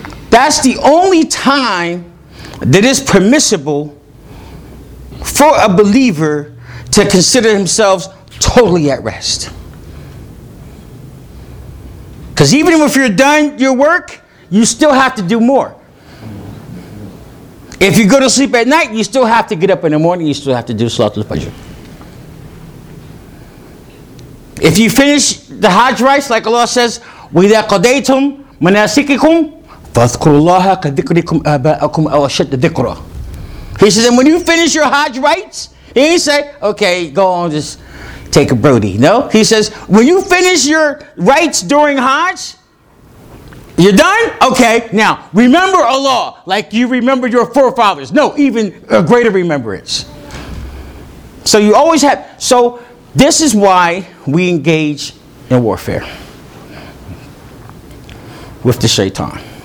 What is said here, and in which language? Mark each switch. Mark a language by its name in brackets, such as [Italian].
[English] That's the only time that is permissible for a believer to consider themselves totally at rest. Because even if you're done your work, you still have to do more. If you go to sleep at night, you still have to get up in the morning, you still have to do Salatul Fajr. If you finish the Hajj rites, like Allah says, [Arabic] وَإِذَا قَدَيْتُمْ مَنَاسِكِكُمْ فَاذْكُرُوا اللَّهَ كَذِكْرِكُمْ أَبَاءَكُمْ أَوْ أَشَدَّ ذِكْرًا. [English] He says, and when you finish your Hajj rites, he ain't say, okay, go on, just take a Brody. No, he says, when you finish your rites during Hajj, you're done? Okay, now, remember Allah like you remember your forefathers. No, even a greater remembrance. So you always have, so this is why we engage in warfare with the shaitan.